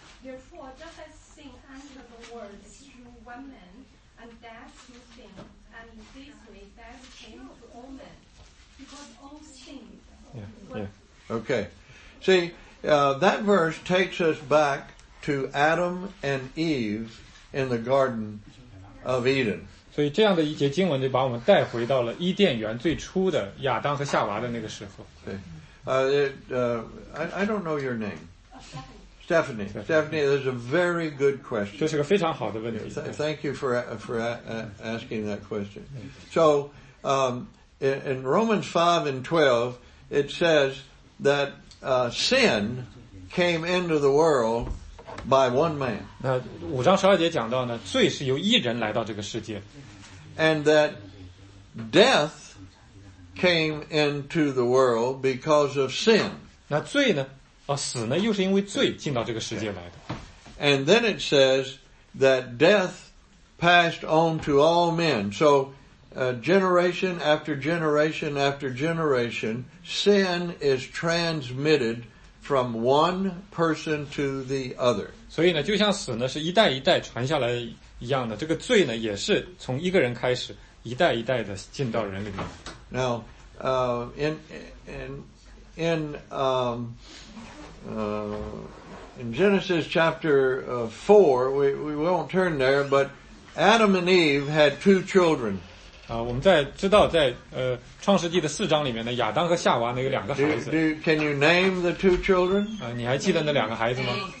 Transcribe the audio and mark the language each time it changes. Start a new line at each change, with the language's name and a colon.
English: Therefore, just as sin entered the world through one man, and death through sin, and in this way death came to all men, because all sin. Okay. See, that verse takes us back to Adam and Eve in the Garden of Eden.
Chinese: 所以这样的一节经文就把我们带回到了伊甸园最初的亚当和夏娃的那个时候。
English: I don't know your name. Stephanie, that's a very good question.
Chinese: 这是个非常好的问题。
English: Thank you for asking that question. So, in Romans 5 and 12, it says that sin came into the world by one man.
Chinese: 那五章十二节讲到呢，罪是由一人来到这个世界。
English: And that death came into the world because of sin.
Chinese: 那罪呢？哦，死呢？又是因为罪进到这个世界来的。
English: And then it says that death passed on to all men. So, generation after generation after generation, sin is transmitted from one person to the other.
Chinese: 所以呢，就像死呢是一代一代传下来一样的，这个罪呢也是从一个人开始，一代一代的进到人里面。
English: Now, in Genesis chapter 4, we won't turn there, but Adam and Eve had two children.
Chinese: 我们在知道在创世纪的四章里面呢，亚当和夏娃呢有两个孩子。
English: Can you name the two children?
Chinese: 你还记得那两个孩子吗？